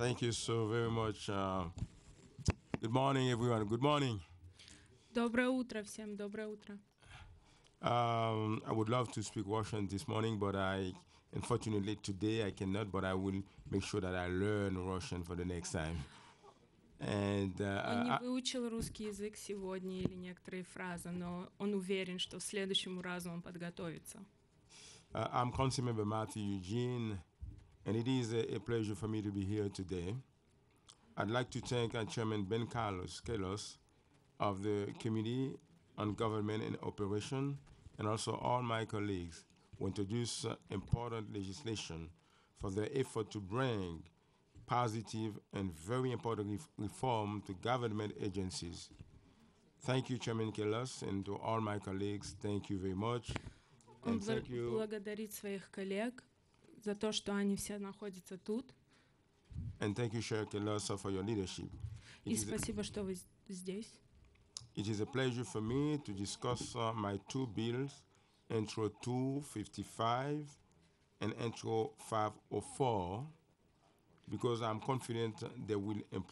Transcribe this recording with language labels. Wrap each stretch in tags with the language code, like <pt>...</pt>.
<en>Thank you so very much. Good morning, everyone. Good morning.</en> <ru>Доброе утро всем. Доброе утро.</ru> <en>I would love to speak Russian this morning, but unfortunately today I cannot, but I will make sure that I learn Russian for the next time. And</en> <ru>он не выучил русский язык сегодня или некоторые фразы, но он уверен, что в следующем разу он подготовится.</ru> <en>I'm Councilmember Matthew Eugene, and it is a pleasure for me to be here today. I'd like to thank Chairman Ben Kallos of the Committee on Government and Operation, and also all my colleagues who introduced important legislation for their effort to bring positive and very important reform to government agencies. Thank you, Chairman Kallos, and to all my colleagues, thank you very much. And thank you.</en> <ru>Благодарит своих коллег за то, что они все находятся тут.</ru> <en>And thank you, Chair Kallos, for your leadership.</en> <ru>И спасибо, что вы здесь.</ru> <en>It is a pleasure for me to discuss my two bills, Intro 255 and Intro 504. Because I'm confident they will</en>